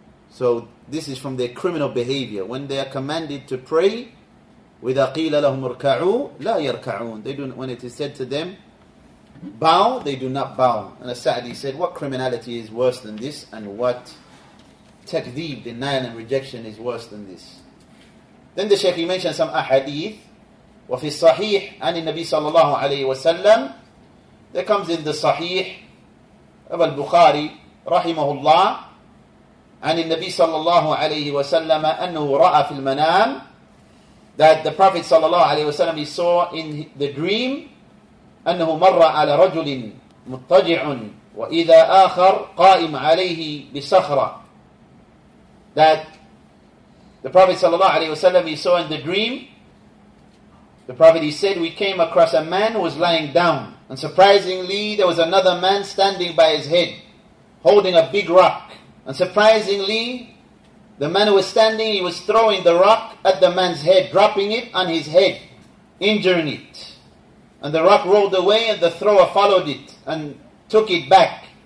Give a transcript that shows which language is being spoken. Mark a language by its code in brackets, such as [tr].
[en] So this is from their criminal behavior. When they are commanded to pray, [ar] وَإِذَا قِيلَ لَهُمْ ارْكَعُوا لَا يَرْكَعُونَ, [en] they do, when it is said to them, bow, they do not bow. And As-Sa'di said, what criminality is worse than this? And what takdeeb, denial and rejection, is worse than this? Then the Shaykh, he mentioned some ahadith. [ar] وفي الصحيح عن النبي صلى الله عليه وسلم, [en] there comes in the [ar] صحيح of البخاري رحمه الله عن النبي صلى الله عليه وسلم أنه رأى في المنام, [en] that the Prophet [ar] صلى الله عليه وسلم, [en] he saw in the dream, [ar] أنه مر على رجل مضطجع وإذا آخر قائم عليه بصخرة, [en] that the Prophet صلى الله عليه وسلم, he saw in the dream, the Prophet, he said, we came across a man who was lying down. And surprisingly, there was another man standing by his head, holding a big rock. And surprisingly, the man who was standing, he was throwing the rock at the man's head, dropping it on his head, injuring it. And the rock rolled away and the thrower followed it and took it back.